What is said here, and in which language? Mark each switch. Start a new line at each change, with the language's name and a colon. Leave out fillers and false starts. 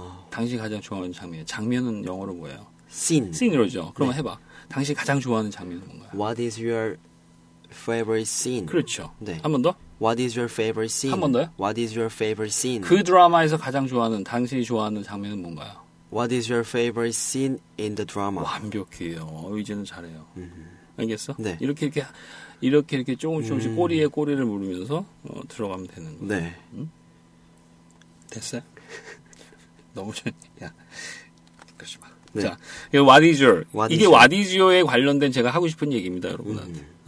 Korean: 당신이 가장 좋아하는 장면. 장면은 영어로 뭐예요?
English: Scene.
Korean: Scene 이러죠. 그럼 네. 해봐. 당신이 가장 좋아하는 장면은 뭔가요?
English: What is your favorite scene?
Korean: 그렇죠. 네. 한 번 더?
English: What is your favorite scene?
Korean: 한 번 더요?
English: What is your favorite scene?
Korean: 그 드라마에서 가장 좋아하는, 당신이 좋아하는 장면은 뭔가요?
English: What is your favorite scene in the drama?
Korean: 완벽해요. 이제는 잘해요. 알겠어? 네. 이렇게 조금씩 꼬리에 꼬리를 물으면서 들어가면 되는 거. 네. 됐어요? 너무 야. 그러지 마. 네.
English: 자, what is your? What
Korean: 이게
English: is what is your
Korean: 에 관련된 제가 하고 싶은 얘기입니다, 여러분한테.